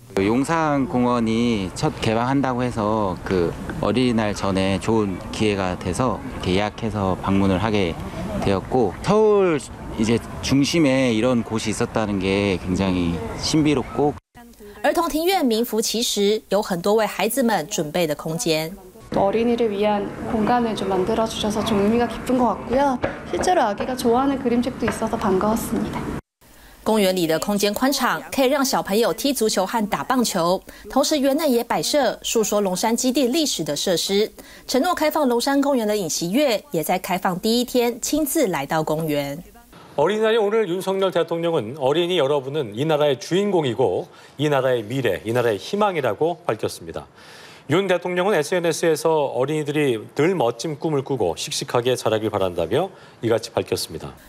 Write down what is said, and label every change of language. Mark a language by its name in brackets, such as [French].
[Korean] 용산공원이첫개방한다고해서그어린이날전에좋은기회가돼서예약해서방문을하게되었고서울이제중심에이런곳이있었다는게굉장히신비롭고 [Chinese] 儿童庭院名副其实，有很多为孩子们准备的空间。 [Korean] 어린이를위한공간을좀만들어주셔서좀의미가깊은것같고요실제로아기가좋아하는그림책도있어서반가웠습니다 [Chinese] 公园里的空间宽敞，可以让小朋友踢足球和打棒球。同时，园内也摆设述说龙山基地历史的设施。承诺开放龙山公园的尹锡悦，也在开放第一天亲自来到公园。 [Korean] 어린이날에오늘윤석열대통령은어린이여러분은이나라의주인공이고이나라의미래이나라의희망이라고밝혔습니다윤대통령은 SNS 에서어린이들이늘멋진꿈을꾸고씩씩하게자라길바란다며이같이밝혔습니다